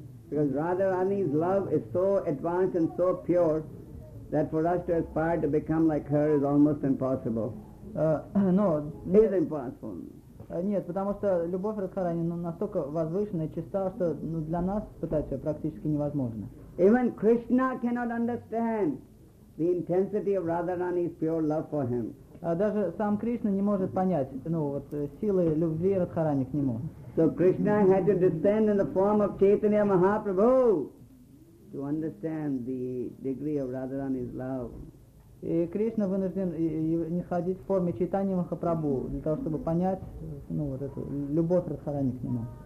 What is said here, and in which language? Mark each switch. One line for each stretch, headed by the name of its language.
English: Because Radharani's love is so advanced and so pure that for us to aspire to become like her is almost impossible. It is impossible.
Russian: Нет, потому что любовь Радхарани настолько возвышена и чиста, что для нас пытаться практически невозможно.
English: Even Krishna cannot understand the intensity of Radharani's pure love for him.
Russian: Даже сам Кришна не может понять, силы любви Радхарани к нему.
English: So Krishna had to descend in the form of Chaitanya Mahaprabhu to understand the degree of Radharani's love.
Russian: И Кришна вынужден не ходить в форме Чайтаньи Махапрабху для того, чтобы понять, эту любовь Радхарани к нему.